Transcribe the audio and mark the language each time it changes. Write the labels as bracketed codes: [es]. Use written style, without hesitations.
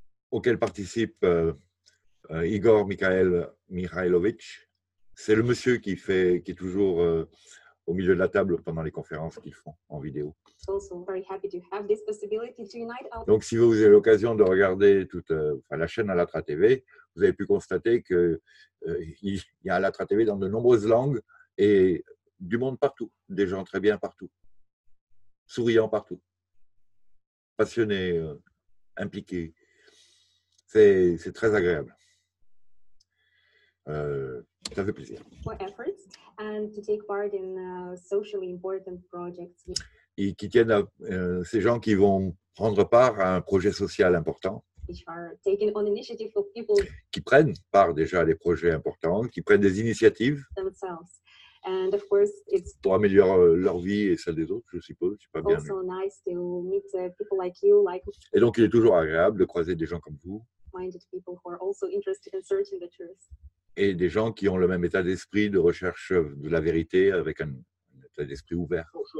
[fr] Auxquelles participe Igor Mikhailovich. C'est le monsieur qui est toujours au milieu de la table pendant les conférences qu'ils font en vidéo. [en] Also very happy to have this possibility to unite our... [fr] Donc, si vous avez l'occasion de regarder toute la chaîne Alatra TV, vous avez pu constater qu'il y a Alatra TV dans de nombreuses langues et du monde partout, des gens très bien partout, souriants partout, passionnés, impliqués. C'est très agréable. Ça fait plaisir. [en] For efforts and to take part in socially important projects. [fr] Et qui tiennent à, ces gens qui vont prendre part à un projet social important. [en] Which are taking on initiative for people. [fr] Qui prennent part déjà à des projets importants, qui prennent des initiatives. [en] Themselves. And of course, it's [fr] pour améliorer leur vie et celle des autres, je suppose. Je sais pas bien. [en] Also nice to meet people like you, like. [fr] Et donc, il est toujours agréable de croiser des gens comme vous. [en] Minded people who are also interested in searching the truth. [fr] Et des gens qui ont le même état d'esprit de recherche de la vérité avec un état d'esprit ouvert.